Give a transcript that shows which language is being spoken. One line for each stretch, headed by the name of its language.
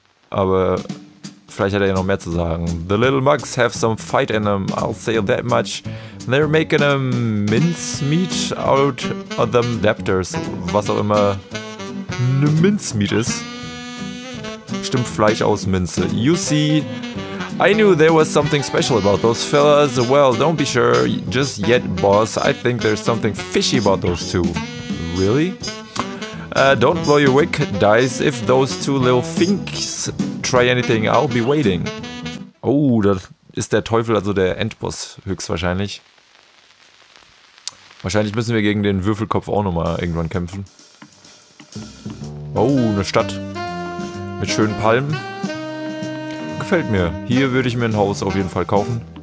German: Aber vielleicht hat er ja noch mehr zu sagen.
English: The little mugs have some fight in them, I'll say that much. They're making a mincemeat out of them debtors.
German: Was auch immer eine Mincemeat ist. Stimmt, Fleisch aus Minze.
English: You see, I knew there was something special about those fellas. Well, don't be sure just yet, boss. I think there's something fishy about those two. Really? Don't blow your wick, dice. If those two little finks try anything, I'll be waiting.
German: Oh, das ist der Teufel, also der Endboss höchstwahrscheinlich. Wahrscheinlich müssen wir gegen den Würfelkopf auch nochmal irgendwann kämpfen. Oh, eine Stadt mit schönen Palmen. Gefällt mir. Hier würde ich mir ein Haus auf jeden Fall kaufen.